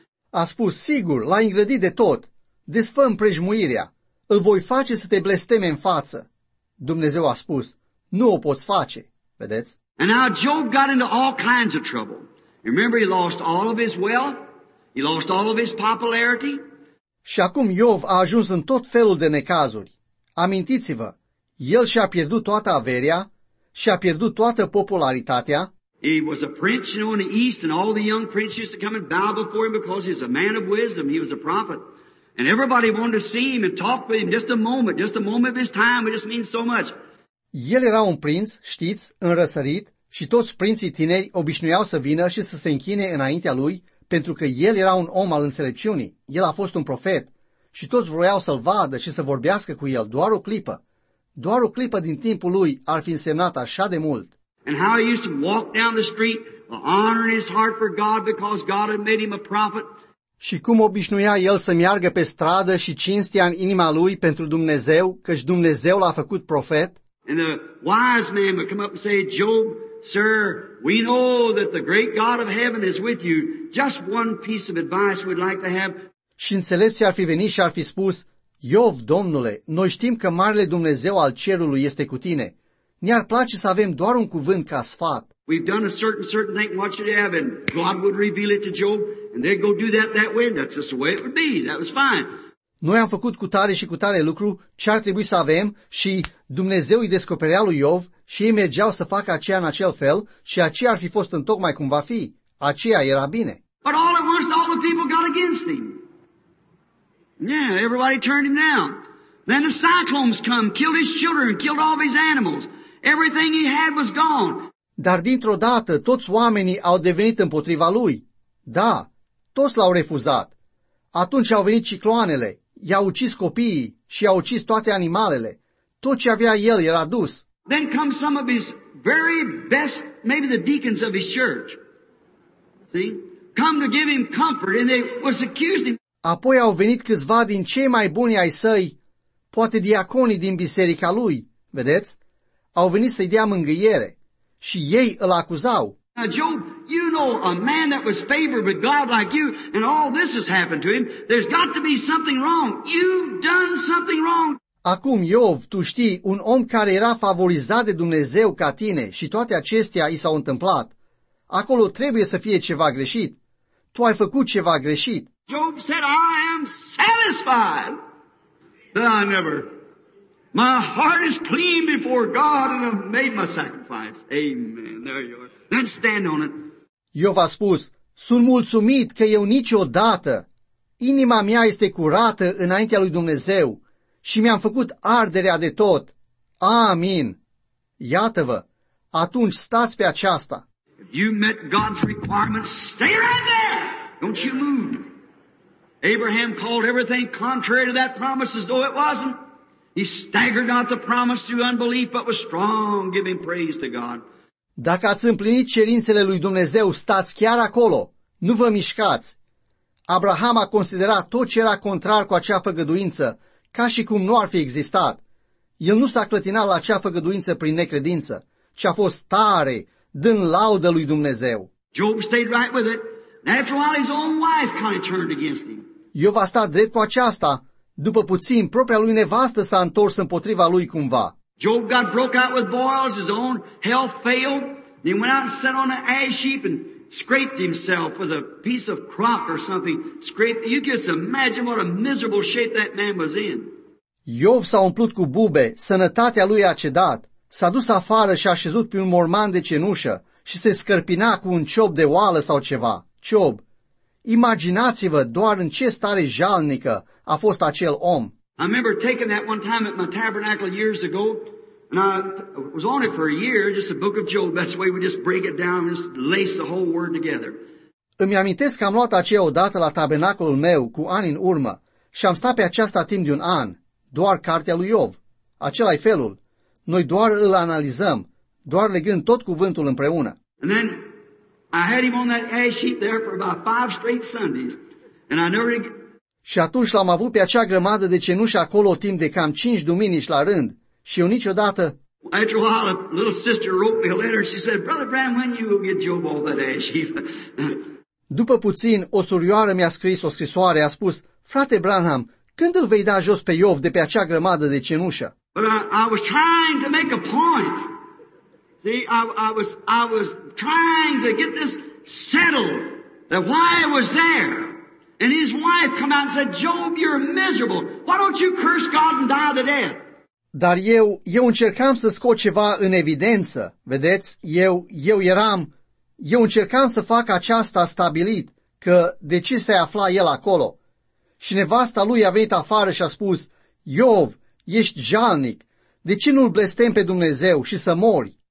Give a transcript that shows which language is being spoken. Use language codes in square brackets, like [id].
[ro] A spus, sigur, l-a îngrădit de tot, desfă împrejmuirea, îl voi face să te blesteme în față. Dumnezeu a spus, nu o poți face, vedeți? [en] And now Job got into all kinds of trouble. Remember, he lost all of his wealth. He lost all of his popularity. [ro] Și acum Iov a ajuns în tot felul de necazuri. Amintiți-vă, el și-a pierdut toată averea, și-a pierdut toată popularitatea. [en] He was a prince, you know, in the east, and all the young princes used to come and bow before him because he's a man of wisdom. He was a prophet. And everybody wanted to see him and talk with him just a moment of his time. It just means so much. [ro] El era un prinț, știți, înrăsărit, și toți prinții tineri obișnuiau să vină și să se închine înaintea lui, pentru că el era un om al înțelepciunii, el a fost un profet, și toți vroiau să-l vadă și să vorbească cu el doar o clipă. Doar o clipă din timpul lui ar fi însemnat așa de mult. [en] And how he used to walk down the street, honoring his heart for God because God had made him a prophet. [ro] Și cum obișnuia el să meargă pe stradă și cinstea în inima lui pentru Dumnezeu, căci Dumnezeu l-a făcut profet. [en] And the wise man would come up and say, Job, sir, we know that the great God of heaven is with you. Just one piece of advice we'd like to have. [ro] Și înțelepții ar fi venit și ar fi spus, Iov, Domnule, noi știm că Marele Dumnezeu al Cerului este cu tine. Ne-ar place să avem doar un cuvânt ca sfat. [en] We've done a certain thing, what should have, and God would reveal it to Job, and they'd go do that way, and that's just the way it would be. That was fine. [ro] Noi am făcut cu tare și cu tare lucru ce ar trebui să avem și Dumnezeu îi descoperea lui Iov și ei mergeau să facă aceea în acel fel și aceea ar fi fost întocmai cum va fi. Aceea era bine. [en] But all at once all the people got against him. Yeah, everybody turned him down. Then the cyclones come, killed his children, killed all his animals. Everything he had was gone. [ro] Dar dintr-o dată toți oamenii au devenit împotriva lui. Da, toți l-au refuzat. Atunci au venit cicloanele. I-a ucis copiii și i-a ucis toate animalele. Tot ce avea el era dus. [en] Then come some of his very best, maybe the deacons of his church, see, come to give him comfort, and they was accusing him. [ro] Apoi au venit câțiva din cei mai buni ai săi, poate diaconii din biserica lui, vedeți? Au venit să-i dea mângâiere și ei îl acuzau. [en] Now Job, you know a man that was favored with God like you, and all this has happened to him, there's got to be something wrong. You've done something wrong. [ro] Acum, Iov, tu știi, un om care era favorizat de Dumnezeu ca tine și toate acestea i s-au întâmplat, acolo trebuie să fie ceva greșit. Tu ai făcut ceva greșit. [en] Job said, I am satisfied, but I never. My heart is clean before God and I've made my sacrifice. Amen. There you are. Then stand on it. [ro] Iov a spus, sunt mulțumit că eu niciodată, inima mea este curată înaintea lui Dumnezeu și mi-am făcut arderea de tot. Amin. Iată-vă, atunci stați pe aceasta. [en] If you met God's requirements, stay right there. Don't you move. Abraham called everything contrary to that promise as though it wasn't. He staggered not the promise through unbelief, but was strong, giving praise to God. [ro] Dacă ați împlinit cerințele lui Dumnezeu, stați chiar acolo. Nu vă mișcați. Abraham a considerat tot ce era contrar cu acea făgăduință, ca și cum nu ar fi existat. El nu s-a clătinat la acea făgăduință prin necredință, ci a fost tare, dând laudă lui Dumnezeu. [en] Job stayed right with it. After a while, his own wife kind of turned against him. [ro] Iov a stat drept cu aceasta. După puțin, propria lui nevastă s-a întors împotriva lui cumva. [en] Job got broke out with boils, his own health failed. He went out and sat on an ash heap and scraped himself with a piece of crock or something. Scraped. You can just imagine what a miserable shape that man was in. [ro] Iov s-a umplut cu bube, sănătatea lui a cedat, s-a dus afară și a așezut pe un morman de cenușă și se scărpina cu un ciob de oală sau ceva. Ciob. Imaginați-vă doar în ce stare jalnică a fost acel om. [en] I remember taking that one time at my tabernacle years ago, and I was on it for a year, just the book of Job, that's the way we just break it down and lace the whole word together. [ro] Îmi amintesc că am luat aceea odată la tabernacolul meu cu ani în urmă și am stat pe aceasta timp de un an, doar cartea lui Iov. Acela-i felul. Noi doar îl analizăm, doar legând tot cuvântul împreună. [en] And then I had him on that ash heap there for about 5 straight Sundays, and I never. [ro] Și atunci l-am avut pe acea grămadă de cenușă acolo timp de cam 5 duminici la rând, și eu niciodată. [en] After a while, a little sister wrote me a letter. She said, "Brother Bram, when you will get Job off that ash heap?" [ro] După puțin, o surioară mi-a scris o scrisoare. A spus, "Frate Branham, când îl vei da jos pe Iov de pe acea grămadă de cenușă?" [en] But I was trying to make a point. See, I was trying to get this settled, that why I was there. And his wife come out and said, Job, you're miserable. Why don't you curse God and die the death? [ro] Dar eu încercam să scot ceva în evidență, vedeți? Eu încercam să fac aceasta stabilit, că de ce se afla el acolo? Și nevasta lui a venit afară și a spus, Iov, ești jalnic, de ce nu-l blestem pe Dumnezeu și să mori?